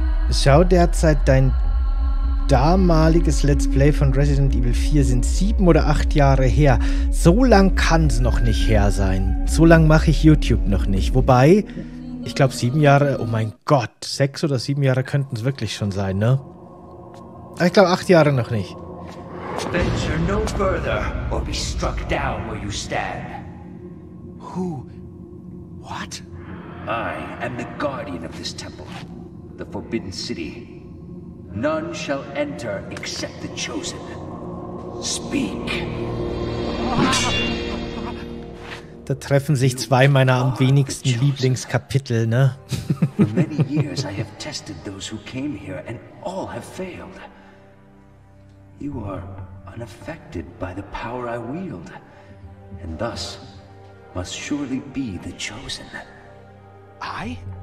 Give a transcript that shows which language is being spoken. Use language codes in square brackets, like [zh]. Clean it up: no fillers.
[de] Schau derzeit dein damaliges Let's Play von Resident Evil 4, sind 7 oder 8 Jahre her. So lang kann's noch nicht her sein. So lang mache ich YouTube noch nicht. Wobei, ich glaube 7 Jahre, oh mein Gott, 6 oder 7 Jahre könnten es wirklich schon sein, ne? Ich glaube 8 Jahre noch nicht. [en] Venture no further or be struck down where you stand. Who? What? I am the guardian of this temple. The Forbidden City. None shall enter except the Chosen. Speak. [de] Da treffen sich zwei meiner am wenigsten Lieblingskapitel, ne? [en] For many years I have tested those who came here and all have failed. You are unaffected by the power I wield, and thus must surely be the Chosen. I?